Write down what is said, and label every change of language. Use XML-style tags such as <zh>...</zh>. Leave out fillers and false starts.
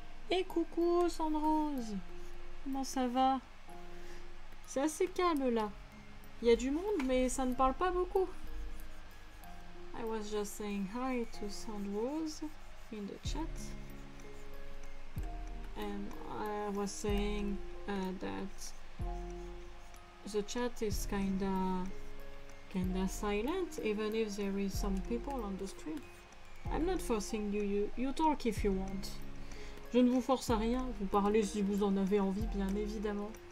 <fr>Et coucou Sandrose, comment ça va? C'est assez calme là. Il y a du monde, mais ça ne parle pas beaucoup.</fr> <en>I was just saying hi to Sandrose in the chat. And I was saying that the chat is kinda silent, even if there is some people on the stream. I'm not forcing you, you talk if you want.</en> <fr>Je ne vous force à rien, vous parlez si vous en avez envie, bien évidemment.</fr>